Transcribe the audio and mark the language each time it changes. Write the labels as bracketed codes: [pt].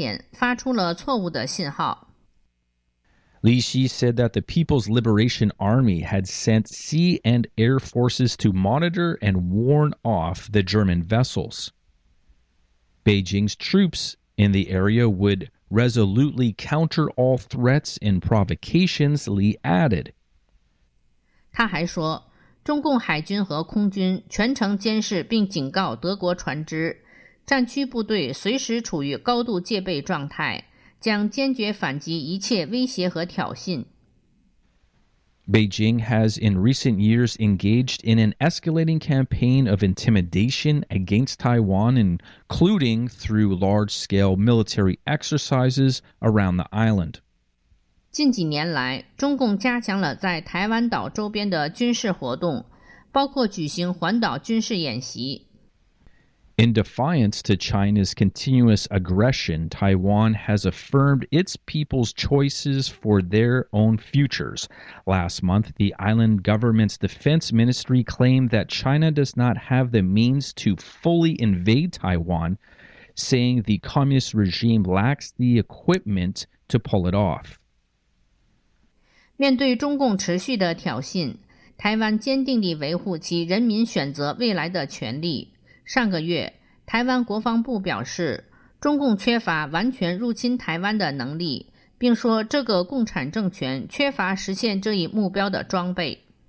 [zh] 中共军方发言人李希称，德方的行为增加了安全风险，发出了错误的信号。 [en] Li Xi said that the People's Liberation Army had sent sea and air forces to monitor and warn off the German vessels. Beijing's troops in the area would resolutely counter all threats and provocations, Li added. [zh] 他还说，中共海军和空军全程监视并警告德国船只，战区部队随时处于高度戒备状态。将坚决反击一切威胁和挑衅。 [en] Beijing has in recent years engaged in an escalating campaign of intimidation against Taiwan, including through large-scale military exercises around the island. [zh] 近几年来，中共加强了在台湾岛周边的军事活动，包括举行环岛军事演习。 [en] In defiance to China's continuous aggression, Taiwan has affirmed its people's choices for their own futures. Last month, the island government's defense ministry claimed that China does not have the means to fully invade Taiwan, saying the communist regime lacks the equipment to pull it off. [zh] 面对中共持续的挑衅，台湾坚定地维护其人民选择未来的权利。上个月，台湾国防部表示，中共缺乏完全入侵台湾的能力，并说这个共产政权缺乏实现这一目标的装备。